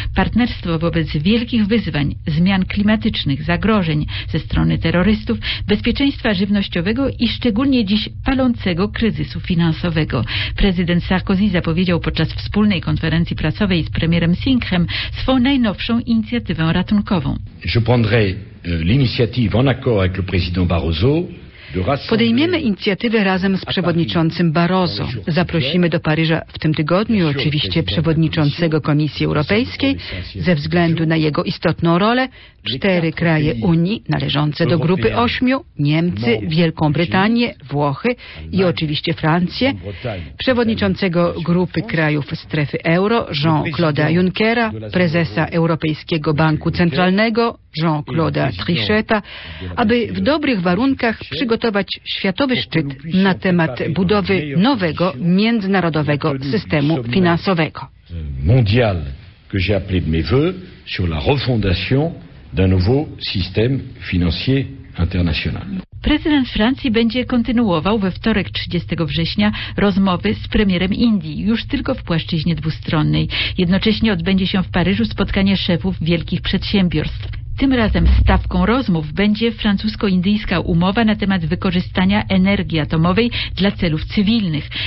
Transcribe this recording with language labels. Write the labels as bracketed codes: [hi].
[pl] Partnerstwo wobec wielkich wyzwań, zmian klimatycznych, zagrożeń ze strony terrorystów, bezpieczeństwa żywnościowego i szczególnie dziś palącego kryzysu finansowego. Prezydent Sarkozy zapowiedział podczas wspólnej konferencji prasowej z premierem Singhem swą najnowszą inicjatywę ratunkową. [fr] Je prendrai l'initiative en accord avec le président Barroso. [pl] Podejmiemy inicjatywę razem z przewodniczącym Barroso. Zaprosimy do Paryża w tym tygodniu oczywiście przewodniczącego Komisji Europejskiej. Ze względu na jego istotną rolę, cztery kraje Unii należące do grupy ośmiu, Niemcy, Wielką Brytanię, Włochy i oczywiście Francję, przewodniczącego grupy krajów strefy euro Jean-Claude Junckera, prezesa Europejskiego Banku Centralnego Jean-Claude Trichetta, aby w dobrych warunkach przygotować światowy szczyt na temat budowy nowego międzynarodowego systemu finansowego. [fr] Mondial, que j'ai appelé de mes voeux sur la refondation d'un nouveau système financier international. [pl] Prezydent Francji będzie kontynuował we wtorek 30 września rozmowy z premierem Indii, już tylko w płaszczyźnie dwustronnej. Jednocześnie odbędzie się w Paryżu spotkanie szefów wielkich przedsiębiorstw. Tym razem stawką rozmów będzie francusko-indyjska umowa na temat wykorzystania energii atomowej dla celów cywilnych.